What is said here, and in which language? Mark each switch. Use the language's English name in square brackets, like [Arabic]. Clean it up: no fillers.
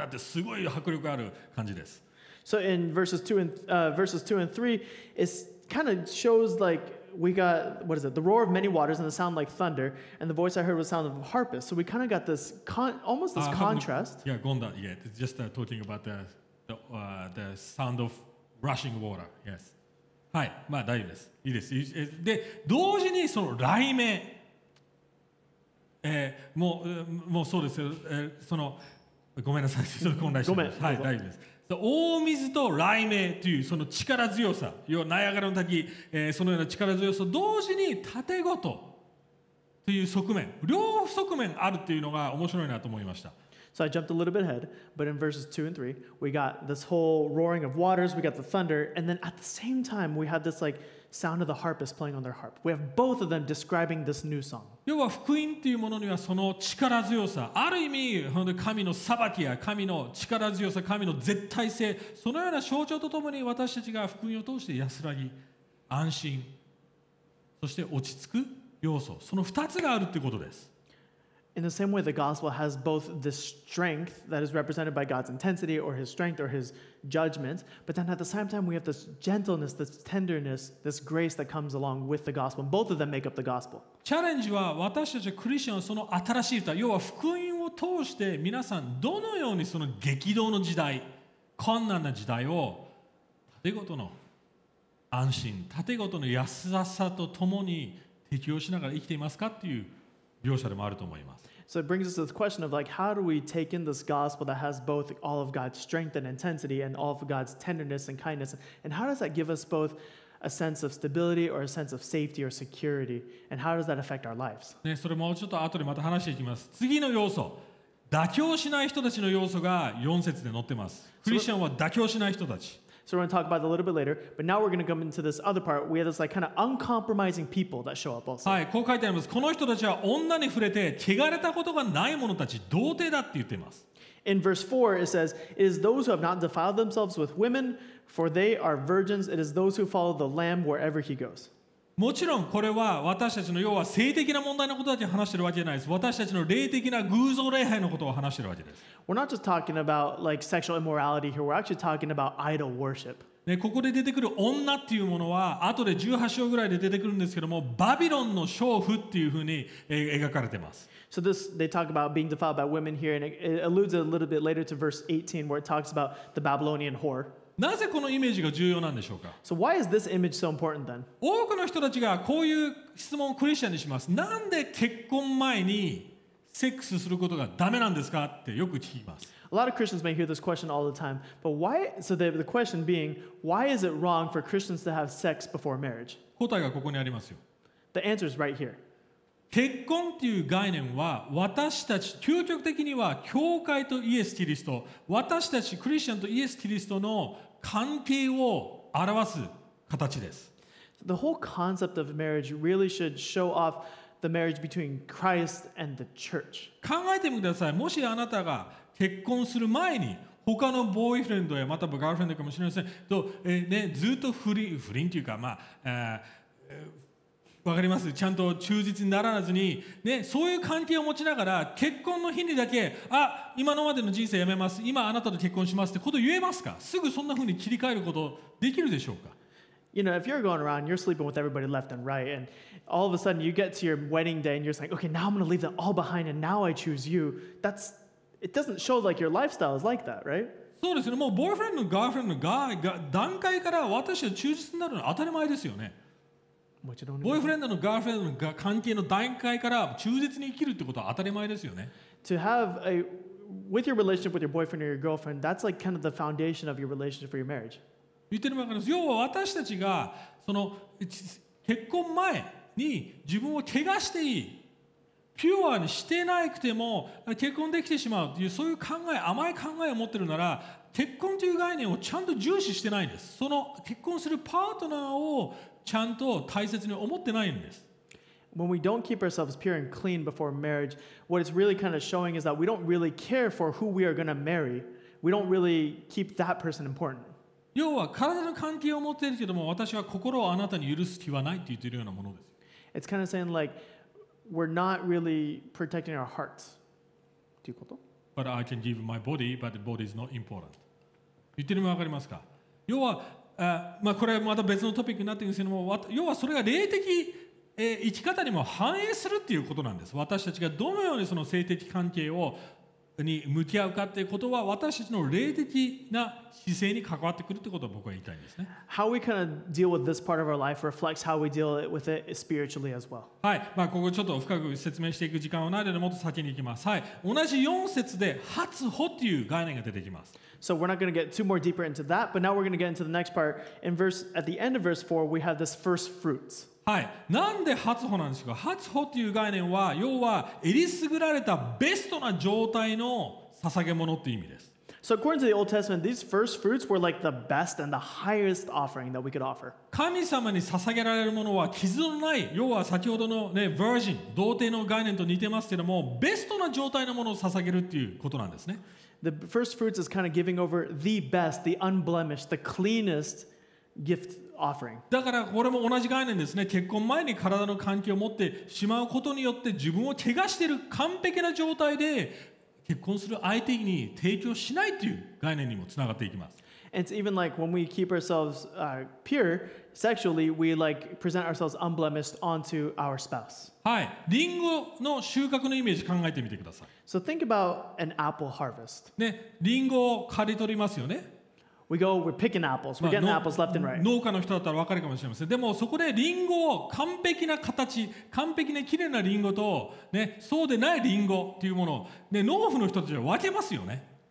[Japanese] 大水のようだったって書いてあるんです。要はナイアガラの滝想像してみてください。バーってなってすごい迫力ある感じです。 [English] So in verses 2 and verses 2 and 3, it kind of shows like we got, what is it, the roar of many waters and the sound like thunder, and the voice I heard was the sound of a harpist. So we kind of got this almost this contrast. Yeah, Gonda, yeah, just talking about the sound of rushing water, yes. [Japanese] はい、まあ大丈夫です。いいです。で、同時にその雷鳴、もうそうですよ、その、ごめんなさい、ちょっと混乱してます。ごめん。はい、大丈夫です。大水と雷鳴というその力強さ、要はナイアガラの滝、そのような力強さ、同時に縦ごとという側面、両側面あるというのが面白いなと思いました。 [English] So I jumped a little bit ahead, but in verses 2 and 3, we got this whole roaring of waters, we got the thunder, and then at the same time, we had this like sound of the harpist playing on their harp. We have both of them describing this new song. [Japanese] 要は福音というものにはその力強さ、ある意味本当神の裁きや神の力強さ、神の絶対性、そのような象徴とともに私たちが福音を通して安らぎ、安心、そして落ち着く要素、その2つがあるということです。 [English] In the same way, the gospel has both the strength that is represented by God's intensity or his strength or his judgment, but then at the same time, we have this gentleness, this tenderness, this grace that comes along with the gospel. Both of them make up the gospel. [Japanese] チャレンジは私たちクリスチャンはその新しい歌、要は福音を通して皆さんどのようにその激動の時代、困難な時代を縦ごとの安心、縦ごとの安らさとともに適応しながら生きていますかっていう描写でもあると思います。 [English] So it brings us to the question of like, how do we take in this gospel that has both all of God's strength and intensity and all of God's tenderness and kindness? And how does that give us both a sense of stability or a sense of safety or security? And how does that affect our lives? [Japanese] ね、それもちょっと後でまた話していきます。次の要素、妥協しない人たちの要素が4節で載ってます。クリスチャンは妥協しない人たち。 [English] So we're going to talk about it a little bit later, but now we're going to come into this other part. We have this like kind of uncompromising people that show up also. [Japanese] はい、こう書いてあります。この人たちは女に触れて汚れたことがない者たち、童貞だって言っています。 [English] In verse 4, it says, It is those who have not defiled themselves with women, for they are virgins. It is those who follow the Lamb wherever he goes. [Japanese] もちろんこれは私たちの要は性的な問題のことだけ話してるわけじゃないです。私たちの霊的な偶像礼拝のことを話してるわけです。 [English] We're not just talking about like sexual immorality here. We're actually talking about idol worship. [Japanese] ね、ここで出てくる女っていうものは後で18章ぐらいで出てくるんですけども、バビロンの娼婦っていうふうに描かれてます。 [English] So this, they talk about being defiled by women here, and it alludes a little bit later to verse 18 where it talks about the Babylonian whore. [Japanese] なぜこのイメージが重要なんでしょうか。 [English] So why is this image so important then? [Japanese] 多くの人たちがこういう質問をクリスチャンにします。なんで結婚前にセックスすることがダメなんですかってよく聞きます。 [English] A lot of Christians may hear this question all the time, but why? So the question being, why is it wrong for Christians to have sex before marriage? [Japanese] 答えがここにありますよ。 [English] The answer is right here. [Japanese] 結婚という概念は私たち究極的には教会とイエス・キリスト、私たちクリスチャンとイエス・キリストの関係を表す形です。 [English] The whole concept of marriage really should show off the marriage between Christ and the church. [Japanese] 考えてみてください。もしあなたが結婚する前に他のボーイフレンドやまたはガールフレンドかもしれませんと、ね、ずっと不倫というか、まあ、わかります。ちゃんと忠実にならずに、ね、そういう関係を持ちながら結婚の日にだけ、あ、今のまでの人生やめます。今あなたと結婚しますってことを言えますか。すぐそんな風に切り替えることできるでしょうか。 [English] You know, if you're going around, you're sleeping with everybody left and right, and all of a sudden you get to your wedding day and you're saying, okay, now I'm going to leave that all behind and now I choose you. That's it doesn't show like your lifestyle is like that, right? [Japanese] そうですね。もうボーイフレンド、ガーフレンド、が段階から私は忠実になるのは当たり前ですよね。もちろんボーイフレンドのガーフレンドの関係の段階から忠実に生きるってことは当たり前ですよね。 [English] To have a with your relationship with your boyfriend or your girlfriend, that's like kind of the foundation of your relationship for your marriage. [Japanese] 言ってるわけです。要は私たちがその結婚前に自分を怪我していい、ピュアにしてなくても結婚できてしまうっていうそういう考え、甘い考えを持ってるなら、結婚という概念をちゃんと重視してないんです。その結婚するパートナーをちゃんと大切に思ってないんです。 [English] When we don't keep ourselves pure and clean before marriage, what it's really kind of showing is that we don't really care for who we are going to marry. We don't really keep that person important. [Japanese] 要は体の関係を持っているけども、私は心をあなたに許す気はないって言っているようなものです。 [English] It's kind of saying like, we're not really protecting our hearts. [Japanese] ということ? [English] But I can give my body, but the body is not important. [Japanese] 言ってるのわかりますか?要は、まあこれはまた別のトピックになってるんですけども、要はそれが霊的、生き方にも反映するっていうことなんです。私たちがどのようにその性的関係をに向き合うかっていうことは私たちの霊的な姿勢に関わってくるってことを僕は言いたいですね。 [English] How we kind of deal with this part of our life reflects how we deal with it spiritually as well. [Japanese] はい、まあここちょっと深く説明していく時間はないのでもっと先に行きます。はい、同じ4節で初歩っていう概念が出てきます。 [English] So we're not going to get too more deeper into that, but now we're going to get into the next part. At the end of verse 4, we have this first fruits. [Japanese] はい、なんで初歩なんですか。初歩っていう概念は要はえりすぐられたベストな状態の捧げ物っていう意味です。 [English] So according to the Old Testament, these first fruits were like the best and the highest offering that we could offer. [Japanese] 神様に捧げられるものは傷のない、要は先ほどのね、virgin、童貞の概念と似てますけども、ベストな状態のものを捧げるっていうことなんですね。 [English] The first fruits is kind of giving over the best, the unblemished, the cleanest gift offering. [Japanese] だからこれも同じ概念ですね。結婚前に体の関係を持ってしまうことによって自分を怪我している完璧な状態で結婚する相手に提供しないという概念にもつながっていきます。 [English] It's even like when we keep ourselves pure sexually, we like present ourselves unblemished onto our spouse. [Japanese] はい、リンゴの収穫のイメージ考えてみてください。 [English] So think about an apple harvest. [Japanese] ね、リンゴを刈り取りますよね。 [English] We go, we're picking apples. We're getting apples left and right. [Japanese] 農家の人だったらわかるかもしれません。でもそこでリンゴを完璧な形、完璧な綺麗なリンゴとね、そうでないリンゴっていうものをね、農夫の人たちは分けますよね。